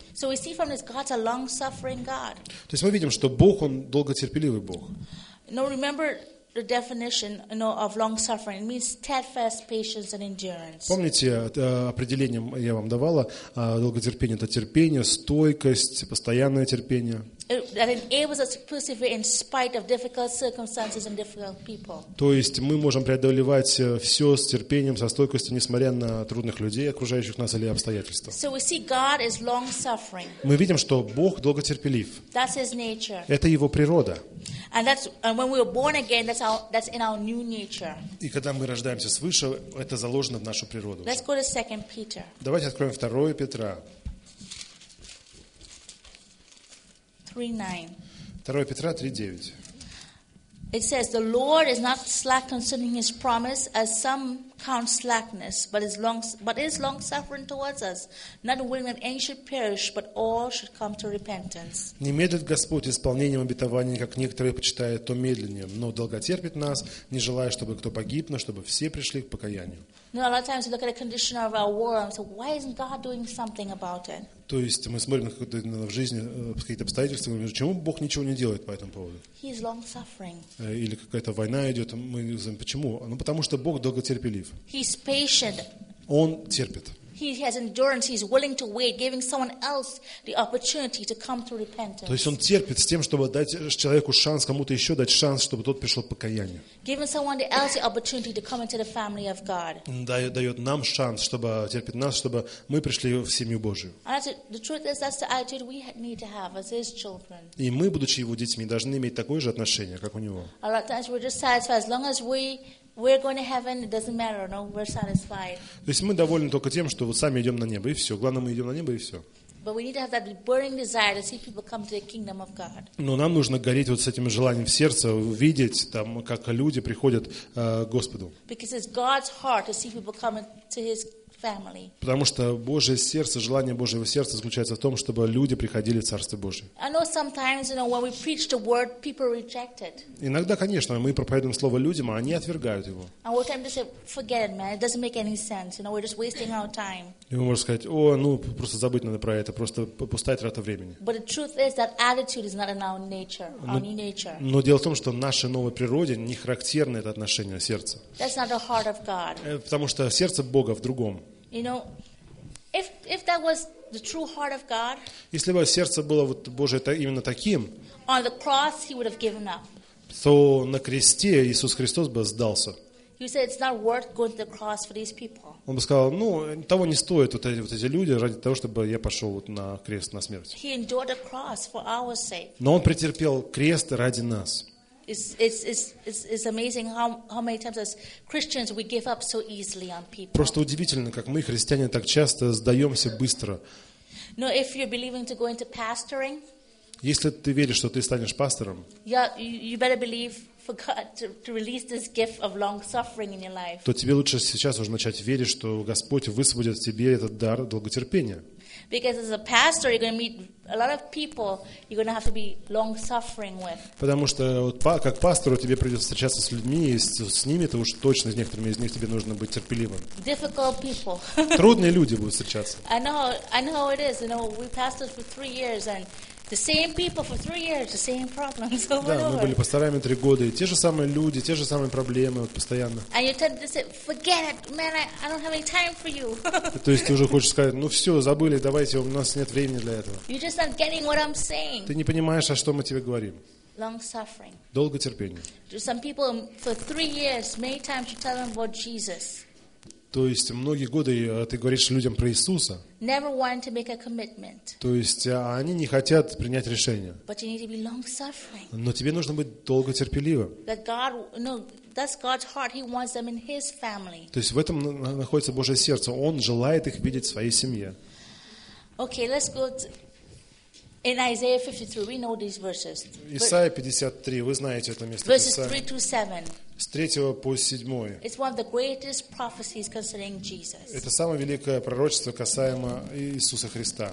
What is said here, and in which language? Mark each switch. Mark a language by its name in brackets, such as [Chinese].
[English] So we see from this God's a long-suffering God. [Russian] То есть мы видим, что Бог, он долготерпеливый Бог. [English] No, remember the definition, you know, of long-suffering. It means steadfast patience and endurance. [Russian] Помните, определение я вам давала, долготерпение — это терпение, стойкость, постоянное терпение. [English] That enables us to persevere in spite of difficult circumstances and difficult people. [Russian] То есть мы можем преодолевать все с терпением, со стойкостью, несмотря на трудных людей, окружающих нас или обстоятельства. [English] So we see God is long-suffering. [Russian] Мы видим, что Бог долготерпелив. [English] That's His nature. [Russian] Это Его природа. [English] And when we were born again, that's in our new nature. [Russian] И когда мы рождаемся свыше, это заложено в нашу природу. [English] Let's go to 2 Peter. [Russian] Давайте откроем 2 Петра. 2 Петра 3:9. [English] It says, "The Lord is not slack concerning His promise, as some count slackness, but is long-suffering towards us, not willing that any should perish, but all should come to repentance." [Russian] Не медлит Господь исполнением обетования, как некоторые почитают то медлением, но долготерпит нас, не желая, чтобы кто погиб, но чтобы все пришли к покаянию. [English] You know, a lot of times we look at the condition of our world and say, "Why isn't God doing something about it?" [Russian] То есть мы смотрим в жизни какие-то обстоятельства, говорим, почему Бог ничего не делает по этому поводу? [English] He is long-suffering. [Russian] Или какая-то война идет, мы говорим, почему? Ну, потому что Бог долготерпелив. [English] He's patient. [Russian] Он терпит. [English] He has endurance. He's willing to wait, giving someone else the opportunity to come to repentance. [Russian] То есть он терпит с тем, чтобы дать человеку шанс, кому-то еще дать шанс, чтобы тот пришел к покаянию. [English] Giving someone else the opportunity to come into the family of God. [Russian] Дает нам шанс, чтобы терпит нас, чтобы мы пришли в семью Божию. [English] And the truth is, that's the attitude we need to have as His children. [Russian] И мы, будучи Его детьми, должны иметь такое же отношение, как у Него. [English] A lot of times we're just satisfied as long as we're going to heaven, it doesn't matter, no, we're satisfied. [Russian] То есть мы довольны только тем, что вот сами идем на небо, и все. Главное, мы идем на небо, и все. [English] But we need to have that burning desire to see people come to the kingdom of God. [Russian] Но нам нужно гореть вот с этим желанием в сердце, увидеть там, как люди приходят к Господу. [English] Because it's God's heart to see people come to His family. [Russian] Потому что Божье сердце, желание Божьего сердца заключается в том, чтобы люди приходили в Царство Божие. [English] I know sometimes, you know, when we preach the word, people reject it. [Russian] Иногда, конечно, мы проповедуем слово людям, а они отвергают его. [English] And what time they say, forget it, man, it doesn't make any sense. You know, we're just wasting our time. [Russian] И мы можем сказать, о, ну, просто забыть надо про это, просто пустая трата времени. [English] But the truth is that attitude is not in our nature, our new nature. [Russian] Но дело в том, что нашей новой природе не характерно это отношение сердца. [English] That's not the heart of God. [Russian] Потому что сердце Бога в другом. [English] You know, if that was the true heart of God, [Russian] если бы сердце было вот Божие именно таким, [English] on the cross he would have given up. [Russian] То на кресте Иисус Христос бы сдался. [English] He said it's not worth going to the cross for these people. [Russian] Он бы сказал, ну, того не стоит вот эти люди ради того, чтобы я пошел вот на крест, на смерть. [English] He endured the cross for our sake. [Russian] Но он претерпел крест ради нас. [English] It's amazing how many times as Christians we give up so easily on people. [Russian] Просто удивительно, как мы христиане так часто сдаемся быстро. [English] No, if you're believing to go into pastoring, [Russian] если ты веришь, что ты станешь пастором, [English] yeah, you better believe for God to release this gift of long suffering in your life. [Russian] То тебе лучше сейчас уже начать верить, что Господь высвободит в тебе этот дар долготерпения. [English] Because as a pastor, you're going to meet a lot of people. You're going to have to be long-suffering with. [Russian] Потому что как пастору тебе придется встречаться с людьми, и с ними то уж точно с некоторыми из них тебе нужно быть терпеливым. [English] Difficult people. [Russian] Трудные люди будут встречаться. [English] I know it is. You know, we pastored for 3 years and the same people for 3 years, the same problems over and over. [Russian] Да, мы были пасторами 3 года, и те же самые люди, те же самые проблемы вот постоянно. [English] And you tend to say, "Forget it, man. I don't have any time for you." [Russian] То есть ты уже хочешь сказать, ну все, забыли, давайте, у нас нет времени для этого. [English] You're just not getting what I'm saying. [Russian] Ты не понимаешь, о чем мы тебе говорим. [English] Long suffering. [Russian] Долготерпение. [English] Some people for 3 years, many times you tell them about Jesus. [Russian] То есть многие годы ты говоришь людям про Иисуса. [English] Never want to make a commitment. [Russian] То есть они не хотят принять решение. [English] But you need to be long-suffering. [Russian] Но тебе нужно быть долготерпеливым. [English] That God, no, that's God's heart. He wants them in His family. [Russian] То есть в этом находится Божье сердце. Он желает их видеть в своей семье. [English] Okay, let's go in Isaiah 53. We know these verses. [Russian] Исайя 53. Вы знаете это место. [English] Verses 3-7. [Russian] С 3 по 7. [English] It's one of the greatest prophecies concerning Jesus. [Russian] Это самое великое пророчество касаемо Иисуса Христа.